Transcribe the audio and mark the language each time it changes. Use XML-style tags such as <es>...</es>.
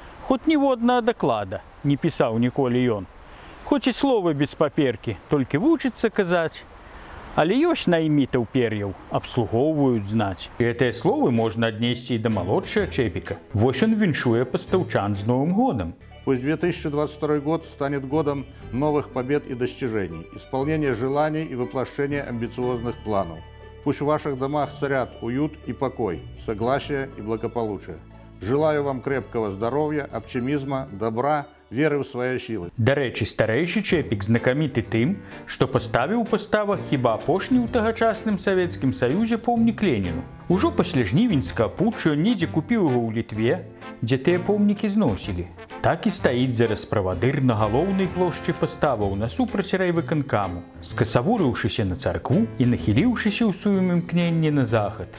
<be>Хоць ніводнага даклада не пісаў ніколі ён. Хоць і словы без паперкі, толькі вучыцца казаць. Але ёсць наймітаў пер'яў, абслугоўваюць знаць. Гэтыя словы можна аднесці і да малодшага Чэпіка. Вось ён віншуе пастаўчан з Новым годам.</be> <ru>Пусть 2022 год станет годом новых побед и достижений, исполнения желаний и воплощения амбициозных планов. Пусть в ваших домах царят уют и покой, согласие и благополучие. Желаю вам крепкого здоровья, оптимизма, добра, веры в свои силы.</ru> <be>Дарэчы, старэйшы Чэпік знакаміты тым, што паставіў у паставах хіба апошні ў тагачасным Савецкім Саюзе помнік Леніну. Ужо пасля жнівеньскага путчу недзе купіў яго ў Літве, дзе тыя помнікі зносілі. Так і стаіць зараз правадыр на галоўнай плошчы паставаў насупраць райвыканкаму, скасавурыўшыся на царкву і нахіліўшыся ў сваім імкненні на захад.</be>